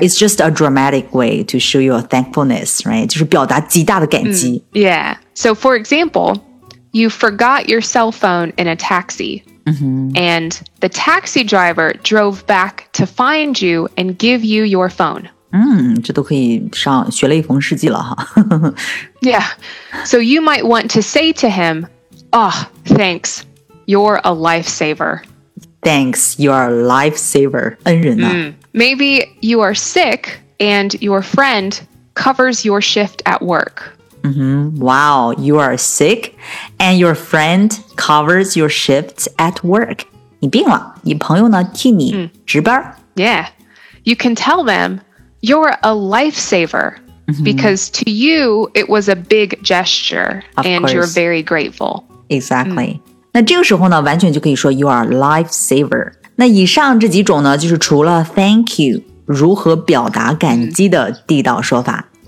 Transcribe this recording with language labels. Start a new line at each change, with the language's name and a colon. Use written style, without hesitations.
English: It's just a dramatic way to show your thankfulness, right?
Chinese: 就是表达极大的感激。
English: Mm, yeah. So for example, you forgot your cell phone in a taxi.、 Mm-hmm. And the taxi driver drove back to find you and give you your phone.
Chinese: 嗯，这都可以上学雷锋世纪了哈。
English: Yeah, so you might want to say to him, "Oh, thanks, you're a lifesaver." Thanks, you're a lifesaver,
Chinese: 恩人啊。
English: Maybe you are sick and your friend covers your shift at work. Mm-hmm. Wow, you are sick and your friend covers your shift at work.
Chinese: 你病了，你朋友呢替你值班。
English: Yeah, you can tell them. You're a lifesaver, because to you, it was a big gesture, and you're very grateful. Exactly.、
Chinese: Mm. 那这个时候呢，完全就可以说
English: you are a lifesaver.
Chinese: 那以上这几种呢，就是除了 thank you, 如何表达感激的地道说法。